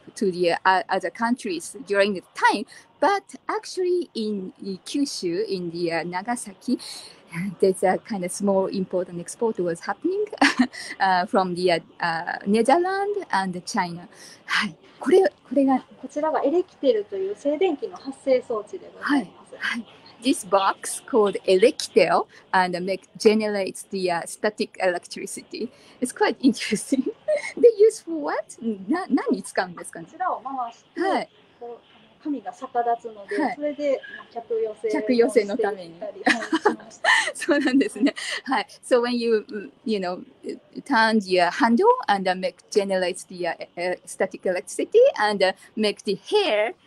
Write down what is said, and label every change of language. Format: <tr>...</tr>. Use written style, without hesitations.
<en>To the other countries during the time, but actually in Kyushu, in the Nagasaki, there's a kind of small import and export was happening from the Netherlands and China.</en> <ja>はい、これがこちらがエレキテルという静電気の発生装置でございます。はい。</ja> <en>This box called Elektel and make generates the static electricity. It's quite interesting. They use for what?</en> <ja>何に使うんですかね。こちらを回して、はい、こう紙が逆立つので、はい、それで客寄せのために。そうなんですね。はい。</ja> <en>So when you know turn your handle and make generates the static electricity and make the hair.</en>